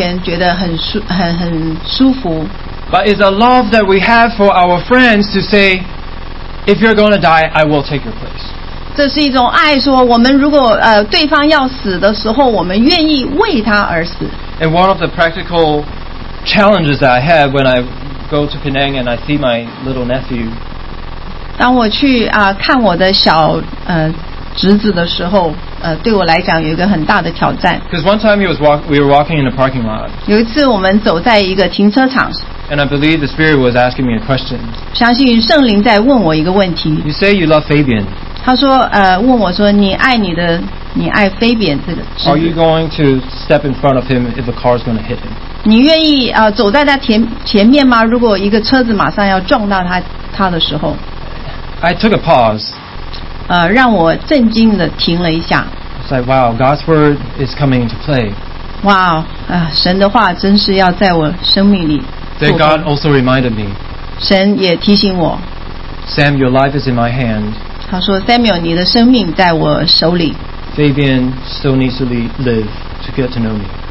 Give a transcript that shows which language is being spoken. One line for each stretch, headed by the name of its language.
Chinese: 不是只是说哦，我们在彼此面前觉得很舒服。
English: But it's a love that we have for our friends to say, "If you're going to die, I will take your place."
Chinese: 这是一种爱，说我们如果对方要死的时候，我们愿意为他而死。
English: And one of the practical challenges that I have when I go to Penang and I see my little nephew.
Chinese: 当我去看我的小侄子的时候，对我来讲有一个很大的挑战。
English: Because one time we were walking in the parking lot.
Chinese: 有一次我们走在一个停车场。
English: And I believe the Spirit was asking me a question.
Chinese: 相信圣灵在问我一个问题。
English: You say you love Fabian.
Chinese: 他说，问我说，你爱你的，你爱Fabian这个。
English: Are you going to step in front of him if a car is going to hit him?
Chinese: 你愿意走在他前面吗？如果一个车子马上要撞到他的时候。
English: I took a pause.
Chinese: 让我震惊的停了一下。
English: It's like, wow, God's word is coming into play.
Chinese: 哇，神的话真是要在我生命里。
English: Then God also reminded me.
Chinese: 神也提醒我。
English: Sam, your life is in my hand.
Chinese: 他说 ，Samuel， 你的生命在我手里。
English: Fabian still needs to live to get to know me.